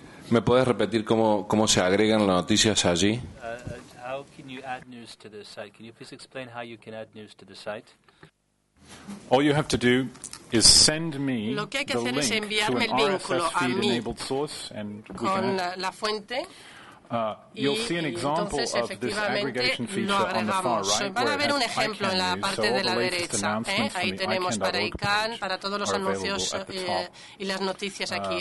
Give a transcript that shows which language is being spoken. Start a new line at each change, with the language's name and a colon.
Spanish: ¿Me puedes repetir cómo se agregan las noticias allí?
English: How can you add news to the site? Can you please explain how you can add news to the site? All you have to do is send me
Spanish: lo que hay que hacer es enviarme el vínculo a mí con la fuente. Entonces, efectivamente, lo agregamos. Van a ver un ejemplo en la parte de la derecha. Ahí tenemos para ICANN, para todos los anuncios y las noticias aquí.